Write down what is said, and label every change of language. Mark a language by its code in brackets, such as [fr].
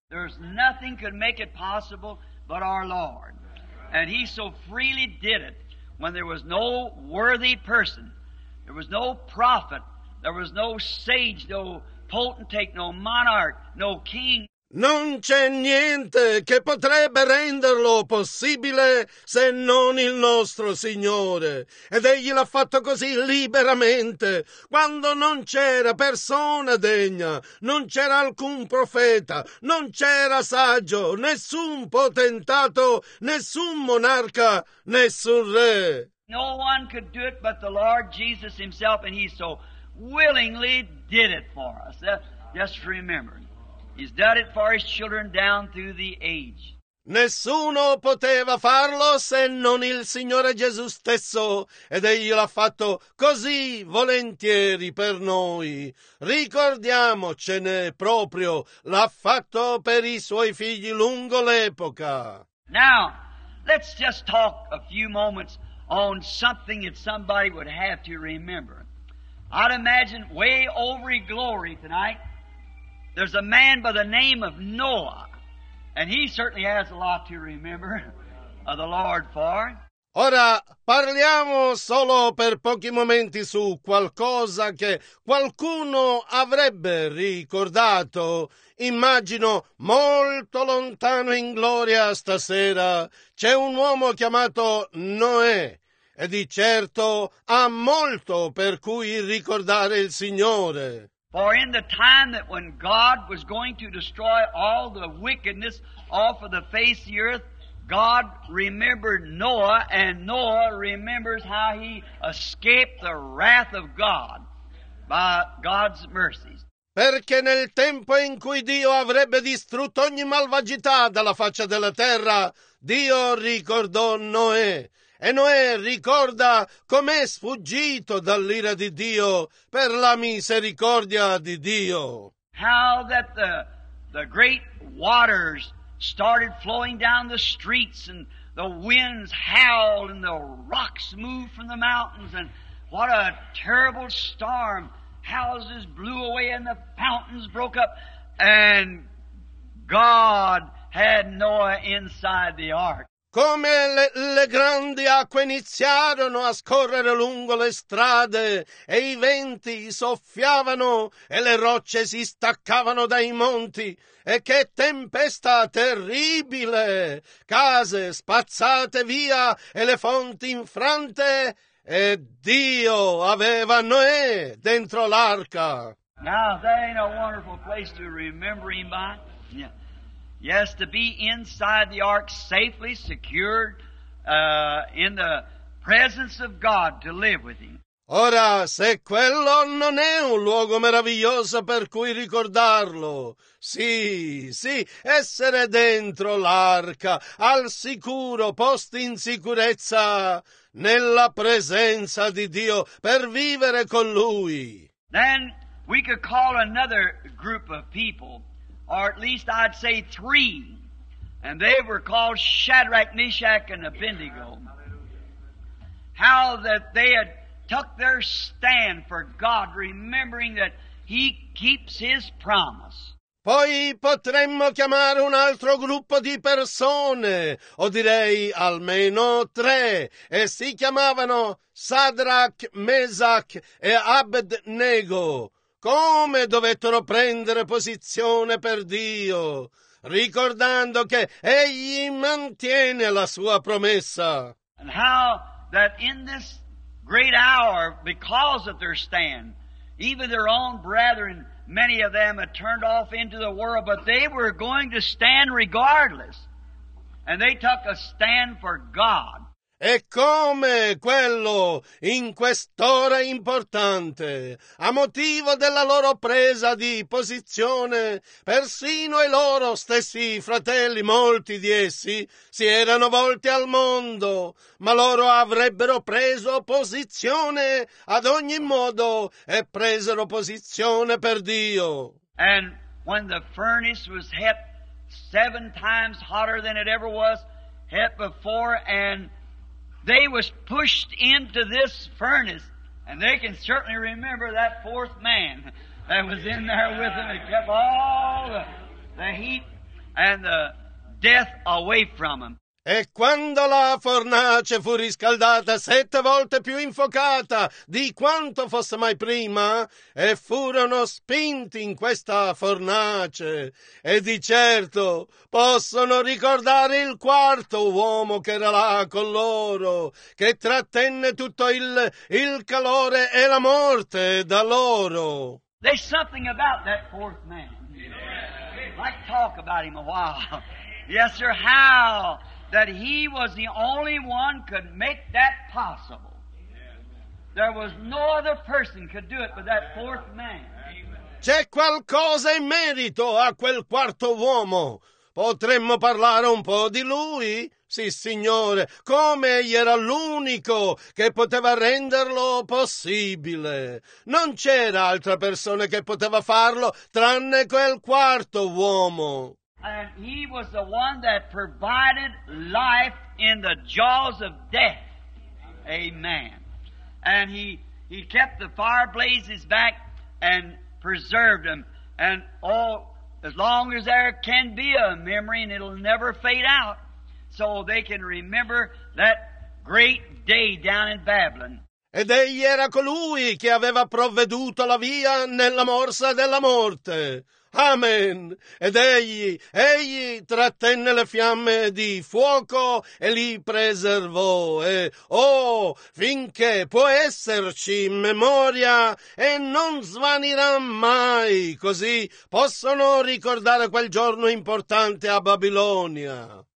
[en] There's nothing could make it possible but our Lord. And He so freely did it when there was no worthy person, there was no prophet, there was no sage, no potentate, no monarch, no king. [it] Non c'è niente che potrebbe renderlo possibile se non il nostro Signore. Ed Egli l'ha fatto così liberamente, quando non c'era persona degna, non c'era alcun profeta, non c'era saggio, nessun potentato, nessun monarca, nessun re. [en] No one could do it but the Lord Jesus Himself, and He so willingly did it for us. Just remember. He's done it for His children down through the age. [it] Nessuno poteva farlo se non il Signore Gesù stesso, ed Egli l'ha fatto così volentieri per noi. Ricordiamocene proprio, l'ha fatto per I Suoi figli lungo l'epoca. [en] Now, let's just talk a few moments on something that somebody would have to remember. I'd imagine way over in glory tonight, there's a man by the name of Noah, and he certainly has a lot to remember of the Lord for. [it] Ora parliamo solo per pochi momenti su qualcosa che qualcuno avrebbe ricordato. Immagino molto lontano in gloria stasera c'è un uomo chiamato Noè, e di certo ha molto per cui ricordare il Signore. [en] For in the time that when God was going to destroy all the wickedness off of the face of the earth, God remembered Noah, and Noah remembers how he escaped the wrath of God by God's mercies. [it] Perché nel tempo in cui Dio avrebbe distrutto ogni malvagità dalla faccia della terra, Dio ricordò Noè. E Noè ricorda com'è sfuggito dall'ira di Dio per la misericordia di Dio. [en] How that the great waters started flowing down the streets, and the winds howled, and the rocks moved from the mountains, and what a terrible storm. Houses blew away and the fountains broke up, and God had Noah inside the ark. [it] Come le grandi acque iniziarono a scorrere lungo le strade e I venti soffiavano e le rocce si staccavano dai monti. E che tempesta terribile! Case spazzate via e le fonti infrante. E Dio aveva Noè dentro l'arca. [en] Now that ain't a wonderful place to remember Him by. Yeah. Yes, to be inside the ark, safely secured, in the presence of God, to live with Him. [it] Ora, se quello non è un luogo meraviglioso per cui ricordarlo, sì, essere dentro l'arca, al sicuro, posti in sicurezza, nella presenza di Dio, per vivere con Lui. [en] Then we could call another group of people, or at least I'd say three, and they were called Shadrach, Meshach, and Abednego. How that they had took their stand for God, remembering that He keeps His promise. [it] Poi potremmo chiamare un altro gruppo di persone, o direi almeno tre, e si chiamavano Shadrach, Meshach e Abednego. Come dovettero prendere posizione per Dio, ricordando che Egli mantiene la sua promessa. [en] And how that in this great hour, because of their stand, even their own brethren, many of them had turned off into the world, but they were going to stand regardless. And they took a stand for God. [it] E come quello, in quest'ora importante, a motivo della loro presa di posizione, persino i loro stessi fratelli, molti di essi, si erano volti al mondo, ma loro avrebbero preso posizione ad ogni modo e presero posizione per Dio. [en] And when the furnace was hit seven times hotter than it ever was hit before, and they was pushed into this furnace, and they can certainly remember that fourth man that was in there with them and kept all the heat and the death away from them. [it] E quando la fornace fu riscaldata sette volte più infocata di quanto fosse mai prima, e furono spinti in questa fornace, e di certo possono ricordare il quarto uomo che era là con loro, che trattenne tutto il calore e la morte da loro. [en] There's something about that fourth man. Let's talk about him a while. Yes, sir, how that he was the only one could make that possible. There was no other person could do it but that fourth man. [it] C'è qualcosa in merito a quel quarto uomo. Potremmo parlare un po' di lui? Sì, signore. Come egli era l'unico che poteva renderlo possibile. Non c'era altra persona che poteva farlo tranne quel quarto uomo. [en] And he was the one that provided life in the jaws of death. Amen. And he kept the fire blazes back and preserved them. And all, as long as there can be a memory, and it'll never fade out, so they can remember that great day down in Babylon. [it] Ed egli era colui che aveva provveduto la via nella morsa della morte. Amen. Ed egli trattenne le fiamme di fuoco e li preservò. E, oh, finché può esserci memoria e non svanirà mai, così possono ricordare quel giorno importante a Babilonia.